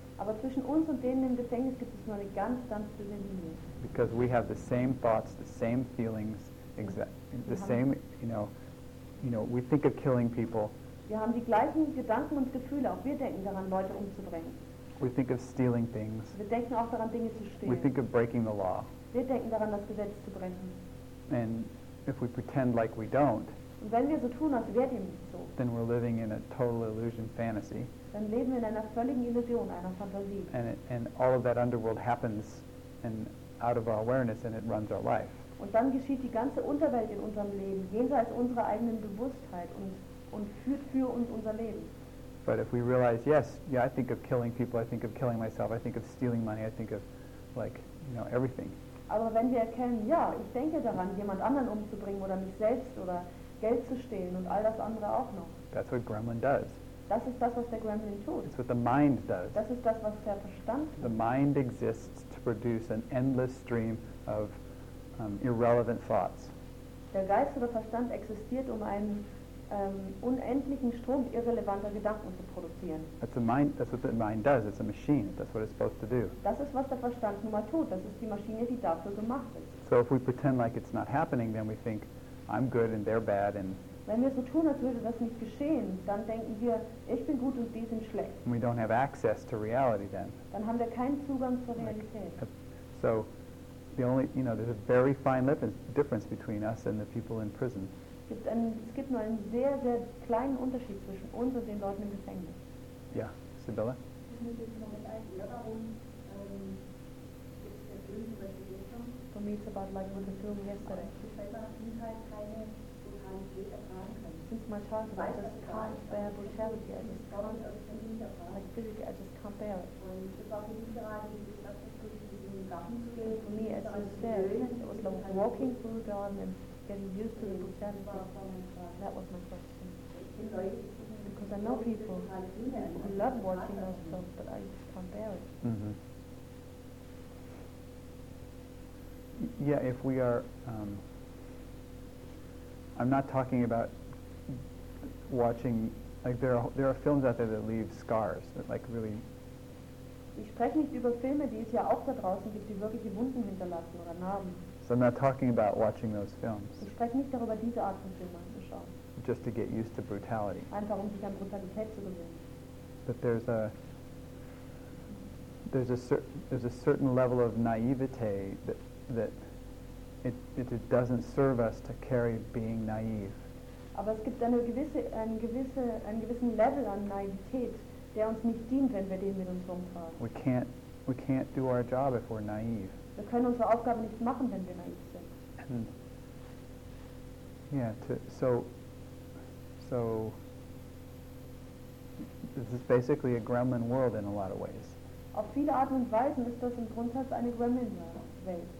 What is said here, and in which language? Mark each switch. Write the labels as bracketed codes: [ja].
[de] Aber zwischen uns und denen im Gefängnis gibt es nur eine ganz, ganz dünne Linie. [en] Because we have the same thoughts, the same feelings. Exactly. The same, you know, we think of killing people. [de] Wir haben die gleichen Gedanken und Gefühle. Auch wir denken daran, Leute umzubringen. [en] We think of stealing things. [de] Wir denken auch daran, Dinge zu stehlen. [en] We think of breaking the law. [de] Wir denken daran, das Gesetz zu brechen. [en] And if we pretend like we don't, [de] und wenn wir so tun, als wäre dem nicht so, [en] then we're living in a total illusion fantasy. [de] Dann leben wir in einer völligen Illusion, einer Fantasie. [en] And all of that underworld happens and out of our awareness and it runs our life. [de] Und dann geschieht die ganze Unterwelt in unserem Leben, jenseits unserer eigenen Bewusstheit und führt für uns unser Leben. [en] But if we realize, yes, yeah, I think of killing people, I think of killing myself, I think of stealing money, I think of, like, you know, everything. [de] Aber wenn wir erkennen, ja, ich denke daran, jemand anderen umzubringen oder mich selbst oder Geld zu stehlen und all das andere auch noch. [en] That's what Gremlin does. [de] Das ist das, was der Gremlin tut. [en] It's what the mind does. [de] Das ist das, was der Verstand tut. [en] The mind exists to produce an endless stream of irrelevant thoughts. [de] Der Geist oder Verstand existiert, um einen unendlichen Strom irrelevanter Gedanken zu produzieren. [en] That's a mind, that's what the mind does, it's a machine, that's what it's supposed to do. [de] Das ist, was der Verstand nun mal tut, das ist die Maschine, die dafür gemacht ist. [en] So if we pretend like it's not happening, then we think, I'm good and they're bad and... [de] Wenn wir so tun, als würde das nicht geschehen, dann denken wir, ich bin gut und die sind schlecht. [en] And we don't have access to reality then. [de] Dann haben wir keinen Zugang zur Realität. [en] Like, so, the only, you know, there's a very fine difference between us and the people in prison. [de] Es gibt nur einen sehr, sehr kleinen Unterschied zwischen uns und den Leuten im Gefängnis. Ja, Sibylle? [en] For me it's about like with the film yesterday. Since my childhood I just can't bear brutality. Like physically I just can't bear it. For me it's just there. It was like walking through the garden and getting used to the brutality. That was my question. Because I know people who love watching those films, but I just can't bear it. Mm-hmm. Yeah, if we are, I'm not talking about watching, like there are films out there that leave scars, that like really... [de] Ich spreche nicht über Filme, die es ja auch da draußen gibt, die wirkliche Wunden hinterlassen oder Narben. [en] So I'm not talking about watching those films. [de] Ich spreche nicht darüber, diese Art von Filmen anzuschauen. [en] Just to get used to brutality. [de] Einfach um sich an Brutalität zu gewöhnen. [en] But there's a certain level of naivete that it doesn't serve us to carry being naive. [de] Aber es gibt einen gewissen Level an Naivität, der uns nicht dient, wenn wir den mit uns rumfahren. [en] We can't do our job if we're naive. [de] Wir können unsere Aufgabe nicht machen, wenn wir naiv sind. [en] Yeah, so this is basically a gremlin world in a lot of ways. [de] Auf viele Arten und Weisen ist das im Grundsatz eine gremlin Welt.